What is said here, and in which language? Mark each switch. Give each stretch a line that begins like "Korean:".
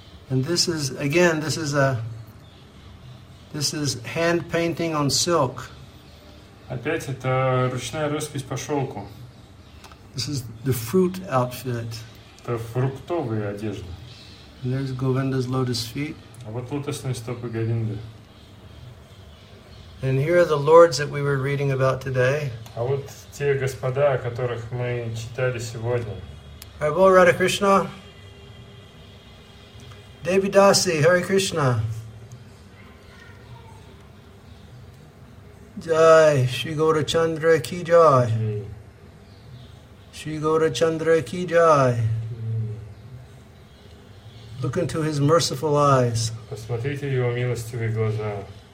English: And this is, again, this is hand painting on silk.
Russian: Опять это ручная роспись по шелку.
English: This is the fruit outfit.
Russian: Это фруктовая одежда.
English: And there's Govinda's lotus feet.
Russian: А вот лотосные стопы Говинды.
English: And here are the lords that we were reading about today.
Russian: А вот те господа, о которых мы читали сегодня. Прабху Радха Кришна.
Sanskrit: Devidasi, Hare Krishna.
Bangla: Jai, Shri Gaura Chandra ki jai. Shri Gaura Chandra ki jai.
English: Look into his merciful eyes.
Russian: Посмотрите его милостивые глаза.